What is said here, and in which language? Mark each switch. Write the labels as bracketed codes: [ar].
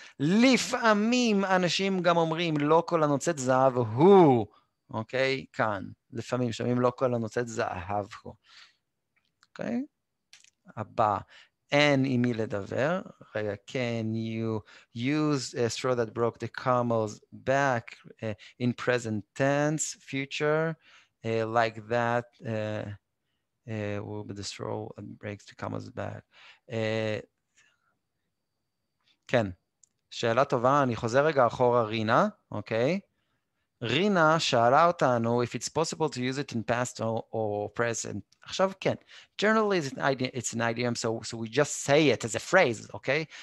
[he] לפעמים אנשים גם אומרים לא כל הנוצץ זהב הוא. אוקיי? כאן. לפעמים שומעים לא כל הנוצץ זהב הוא. אוקיי? הבא. [en] and Emile Daver. Can you use a straw that broke the camel's back in present tense, future, like that? Will be the straw that breaks the camel's back. [he] כן, שאלה טובה, אני חוזר רגע אחורה, רינה, אוקיי? רינה שאלה אותנו, [en] if it's possible to use it in past or present. [he] עכשיו כן, [en] generally it's an idiom, so we just say it as a phrase, [he] אוקיי?